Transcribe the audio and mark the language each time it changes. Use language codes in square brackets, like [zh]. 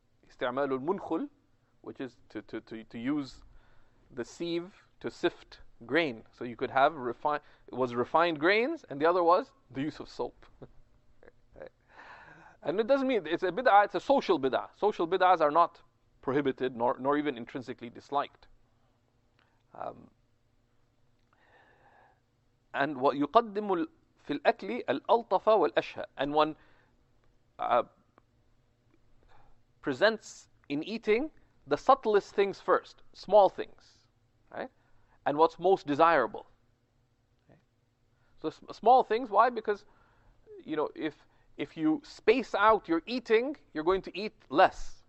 [en] Istimalul munkhul, which is to use the sieve to sift grain. So you could have refined grains, and the other was the use of soap. And it doesn't mean it's a bid'ah, it's a social bid'ah. Social bid'ahs are not prohibited, nor even intrinsically disliked. And what [ar] يُقَدِّمُ فِي الْأَكْلِ الْأَلْطَفَ وَالْأَشْهَى. [en] And one presents in eating the subtlest things first, small things, right? And what's most desirable. So small things, why? Because, if you space out your eating, you're going to eat less.